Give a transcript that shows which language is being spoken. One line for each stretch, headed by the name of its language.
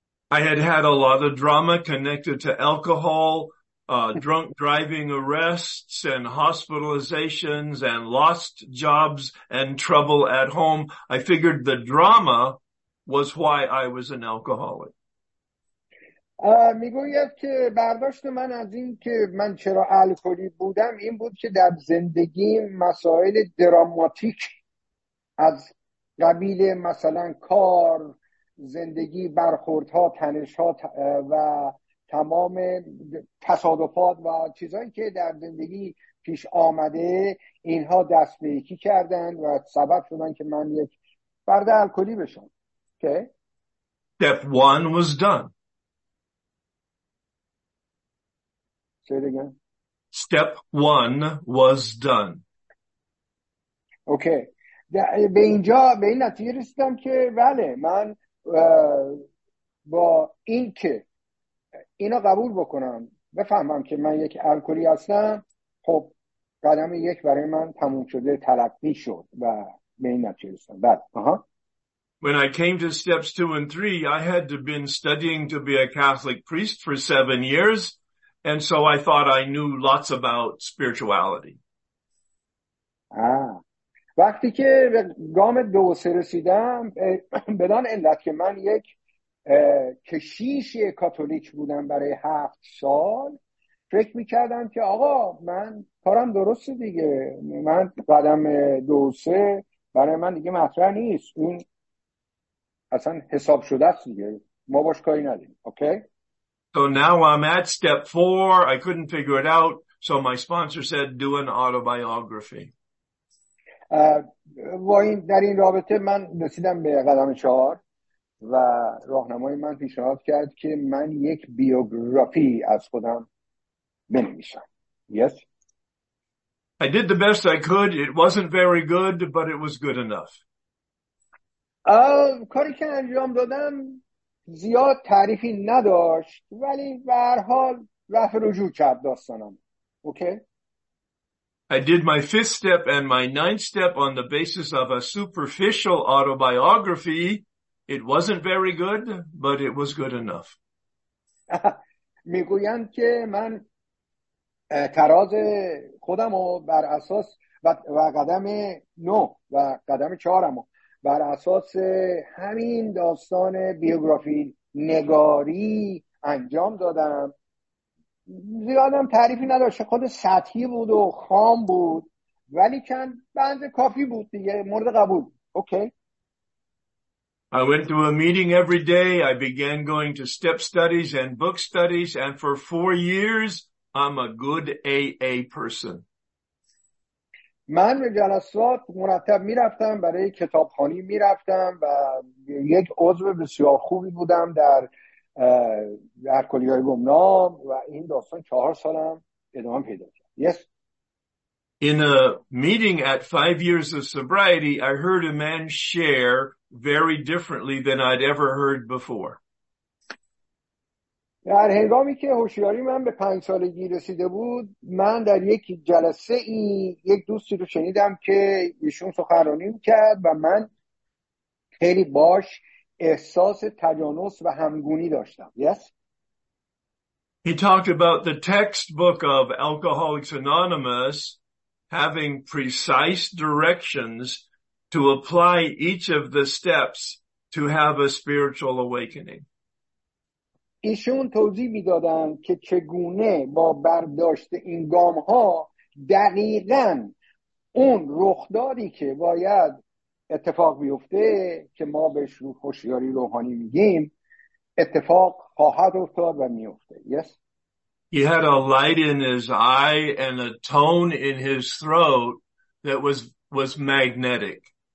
English: I had a lot of drama connected to alcohol, drunk driving arrests and hospitalizations and lost jobs and trouble at home. I figured the drama was why I was an alcoholic.
Persian: میگوید که برداشت من از این که من چرا الکلی بودم این بود که در زندگی مسائل دراماتیک از قبیل مثلا کار، زندگی، برخوردها، تنش‌ها و تمام تصادفات و چیزهایی که در زندگی پیش آمده اینها دست به یکی کردن و سبب شدن که من یک فرد الکلی بشم.
English: Okay. Step one was done. Say it again. Step one was done. Okay.
Persian: به اینجا به این نتیجه رسیدم که بله من با این که اینو قبول بکنم بفهمم که من یک الکلی هستم خب قدم یک برای من تموم شده تلقی شد و به این نتیجه رسیدم. بله.
English: When I came to steps 2 and 3, I had to been studying to be a Catholic priest for 7 years, and so I thought I knew lots about spirituality.
Persian: وقتی که گام دو سه رسیدم بدان علت که من یک کشیش کاتولیک بودم برای 7 سال فکر می‌کردم که آقا من کارم درسته دیگه من قدم دو سه برای من دیگه مطرح نیست اون اصلا حساب شده است دیگه ما باش کاری نداریم. اوکی.
English: So now I'm at step 4. I couldn't figure it out, so my sponsor said do an autobiography.
Persian: در این رابطه من رسیدم به قدم 4 و راهنمای من پیشنهاد کرد که من یک بیوگرافی از خودم بنویسم.
English: Yes. I did the best I could. It wasn't very good, but it was good enough.
Persian: کاری که انجام دادم زیاد تعریفی نداشت ولی به هر حال رفع رجوع کرد داستانم.
English: Okay. I did my 5th step and my 9th step on the basis of a superficial autobiography. It wasn't very good, but it was good enough.
Persian: میگویند که من تراز خودم رو بر اساس و قدم 9 و قدم 4 بر اساس همین داستان بیوگرافی نگاری انجام دادم. زیادم تعریفی نداشت. خود سطحی بود و خام بود. ولی کن بند کافی بود دیگه. مورد قبول. Okay.
English: I went to a meeting every day. I began going to step studies and book studies. And for 4 years, I'm a good AA person.
Persian: من به جلسات مرتب میرفتم برای کتابخانی میرفتم و یک عضو بسیار خوبی بودم در کلیه گمنام و این داستان 4 سالم ادامه پیدا کرد.
English: Yes. In a meeting at 5 years of sobriety, I heard a man share very differently than I'd ever heard before.
Persian: در هنگامی که هوشیاری من به 5 سالگی رسیده بود من در یک جلسه ای یک دوستی رو شنیدم که ایشون سخنرانی میکرد و من خیلی باش احساس تجانس و همگونی داشتم. Yes.
English: He talked about the textbook of Alcoholics Anonymous having precise directions to apply each of the steps to have a spiritual awakening.
Persian: ایشون توضیح میدادن که چگونه با برداشت این گام ها دقیقاً اون رخدادی که باید اتفاق بیفته که ما بهش رو هوشیاری روحانی میگیم اتفاق خواهد افتاد و میفته.
English: Yes. He had a light in his eye and a tone in his throat that was magnetic.